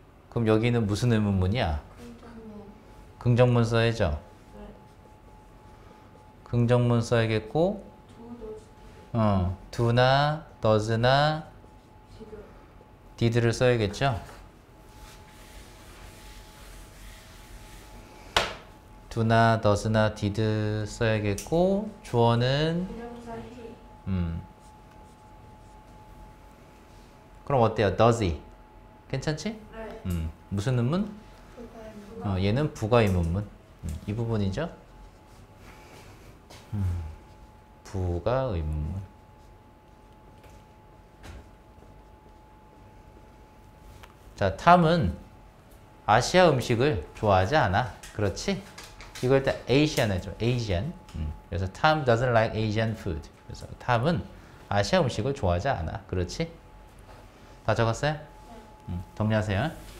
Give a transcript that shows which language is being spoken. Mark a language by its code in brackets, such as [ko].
[ko] 그럼 여기는 무슨 의문문이야? 긍정문 써야죠. 긍정문 써야겠고, do나 does나 did를 써야겠죠. do not, does not, did 써야겠고 주어는 비동사 he. 그럼 어때요? [en] Does he? [ko] 괜찮지? 네. 무슨 의문? 얘는 부가 의문문. 이 부분이죠? 부가 의문문. 자, 탐은 아시아 음식을 좋아하지 않아. 그렇지? 이걸 일단 Asian 해줘. Asian. 그래서 [en] Tom doesn't like Asian food. [ko] 그래서 Tom은 아시아 음식을 좋아하지 않아. 그렇지? 다 적었어요? 정리하세요.